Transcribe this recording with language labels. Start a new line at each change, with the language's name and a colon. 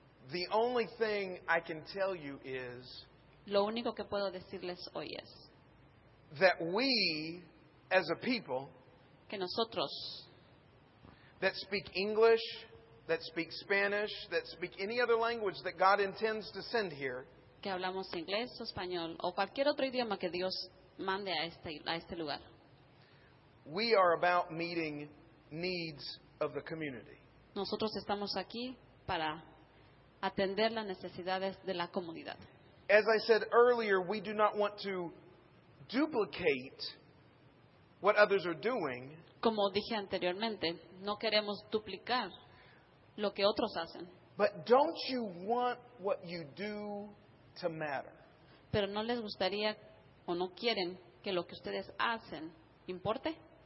English: The only thing I can tell you is,
Spanish: lo único que puedo decirles hoy es,
English: that we as a people,
Spanish: que nosotros,
English: that speak English, that speak Spanish, that speak any other language that God intends to send here,
Spanish: que hablamos inglés o español o cualquier otro idioma que Dios mande a este lugar,
English: we are about meeting needs of the community.
Spanish: Nosotros estamos aquí para atender las necesidades de la comunidad.
English: As I said earlier, we do not want to duplicate what others are doing.
Spanish: Como dije anteriormente, no queremos duplicar lo que otros hacen.
English: But don't you want what you do to matter?
Spanish: Pero no les gustaría o no quieren que lo que ustedes hacen importe.